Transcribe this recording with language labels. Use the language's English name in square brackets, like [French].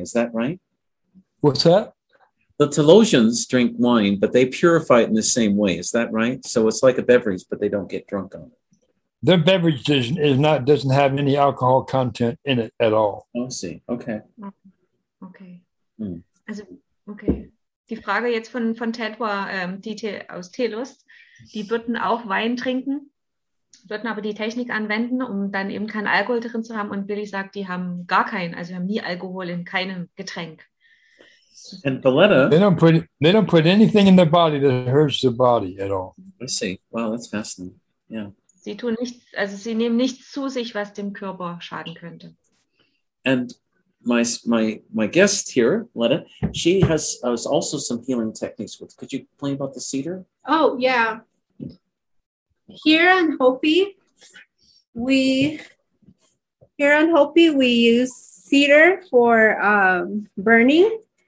[English] Is that right? What's that? The Telosians drink wine, but they purify it in the same way. Is that right? So it's like a beverage, but they don't get drunk on it. Their beverage doesn't have any alcohol content in it at all. Oh, I see. Okay. Okay. Okay. [German] Die Frage jetzt von Ted war, aus Telos, die würden auch Wein trinken, würden aber die Technik anwenden, um dann eben keinen Alkohol drin zu haben. Und Billy sagt, die haben gar keinen, also haben nie Alkohol in keinem Getränk. [English] And Paletta, they don't put anything in their body that hurts the body at all. I see. Wow, that's fascinating. Yeah. [German] Sie tun nichts, also sie nehmen nichts zu sich, was dem Körper schaden könnte. [English] And my guest here, Letta, she has also some healing techniques with. Could you explain about the cedar? Oh, yeah. Here in Hopi, we use cedar for burning.